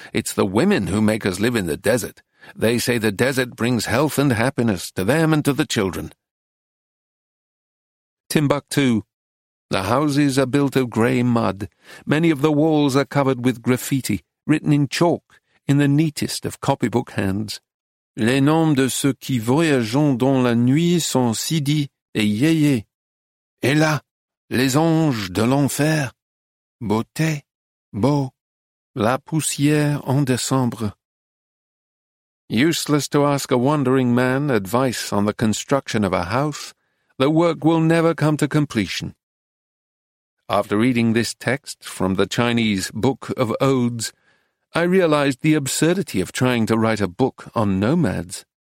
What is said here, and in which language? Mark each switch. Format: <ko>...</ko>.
<en>It's the women who make us live in the desert. They say the desert brings health and happiness to them and to the children." Timbuktu. The houses are built of grey mud. Many of the walls are covered with graffiti, written in chalk, in the neatest of copybook hands.</en> <fr>"Les noms de ceux qui voyagent dans la nuit sont Sidi et Yeye. Et là, les anges de l'enfer. Beauté, beau. La poussière en décembre."</fr> <en>Useless to ask a wandering man advice on the construction of a house. The work will never come to completion. After reading this text from the Chinese Book of Odes, I realized the absurdity of trying to write a book on nomads.</en>